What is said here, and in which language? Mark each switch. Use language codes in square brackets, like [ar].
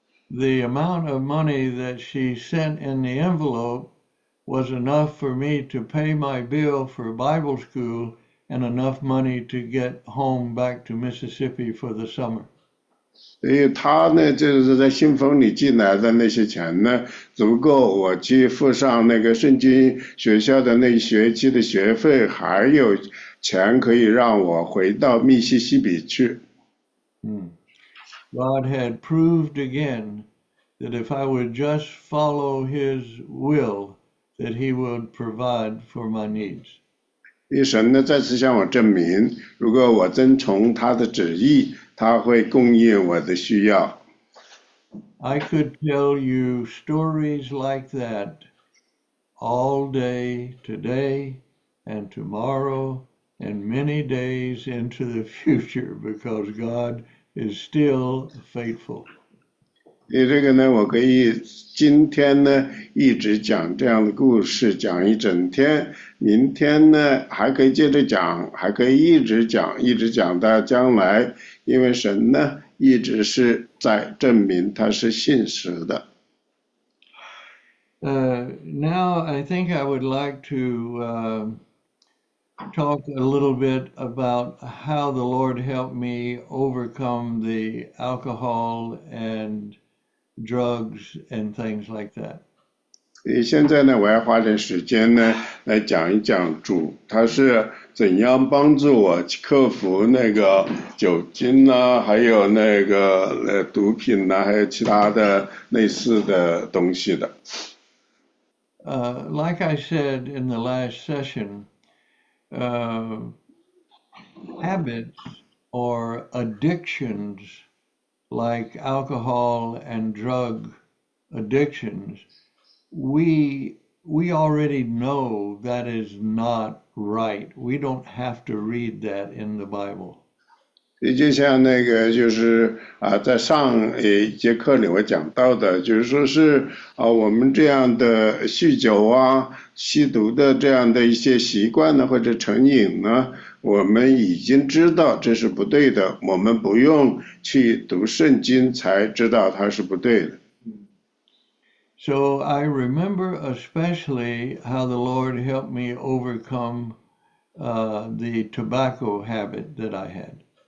[en] The amount of money that she sent in the envelope was enough for me to pay my bill for Bible school and enough money to get home back to Mississippi for the summer. [zh] 所以他呢，就是在信封里寄来的那些钱呢，足够我去付上那个圣经学校的那一学期的学费，还有钱可以让我回到密西西比去。 [en] God had proved again that if I would just follow his will, that he would provide for my needs. [zh] 因为神呢再次向我证明，如果我遵从他的旨意，他会供应我的需要。 [en] I could tell you stories like that all day, today, and tomorrow, and many days into the future, because God is still faithful. [zh] 你这个呢，我可以今天呢一直讲这样的故事，讲一整天。明天呢还可以接着讲，还可以一直讲，一直讲到将来。因为神呢一直是在证明他是信实的。 [en] Now I think I would like to talk a little bit about how the Lord helped me overcome the alcohol and drugs and things like that. [zh] 所以现在呢，我要花点时间呢，来讲一讲主他是怎样帮助我克服那个酒精呐、啊，还有那个毒品呐、啊，还有其他的类似的东西的。 [en] Like I said in the last session, habits or addictions like alcohol and drug addictions, we already know that is not right. We don't have to read that in the Bible. [zh] 也就像那个，就是在上一节课里我讲到的，就是说是我们这样的酗酒啊、吸毒的这样的一些习惯呢，或者成瘾呢，我们已经知道这是不对的，我们不用去读圣经才知道它是不对的。 [en] So I remember especially how the Lord helped me overcome the tobacco habit that I had.